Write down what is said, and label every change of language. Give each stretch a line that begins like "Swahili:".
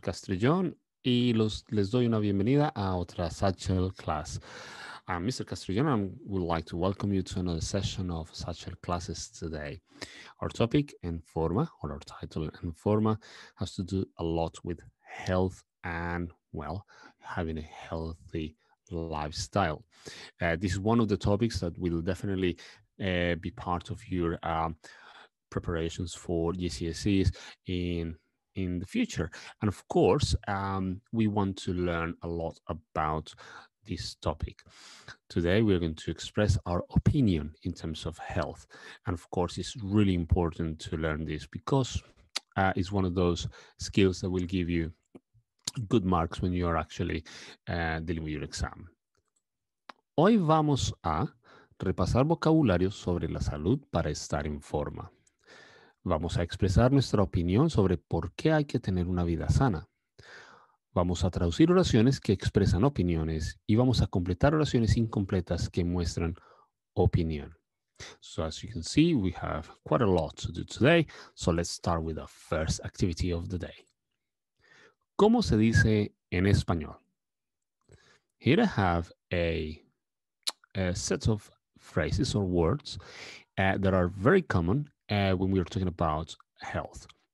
Spanish: Castrillón y les doy una bienvenida a otra Satchel Class.
English: Mr. Castrillón, I would like to welcome you to another session of Satchel Classes today. Our topic en forma, or our title en forma, has to do a lot with health and, well, having a healthy lifestyle. This is one of the topics that will definitely be part of your preparations for GCSEs in the future. And of course, we want to learn a lot about this topic. Today, we're going to express our opinion in terms of health. And of course, it's really important to learn this because it's one of those skills that will give you good marks when you're actually dealing with your exam.
Spanish: Hoy vamos a repasar vocabulario sobre la salud para estar en forma. Vamos a expresar nuestra opinión sobre por qué hay que tener una vida sana. Vamos a traducir oraciones que expresan opiniones y vamos a completar oraciones incompletas que muestran opinión.
English: So as you can see, we have quite a lot to do today. So let's start with the first activity of the day.
Spanish: ¿Cómo se dice en español?
English: Here I have a set of phrases or words that are very common when we are talking about health.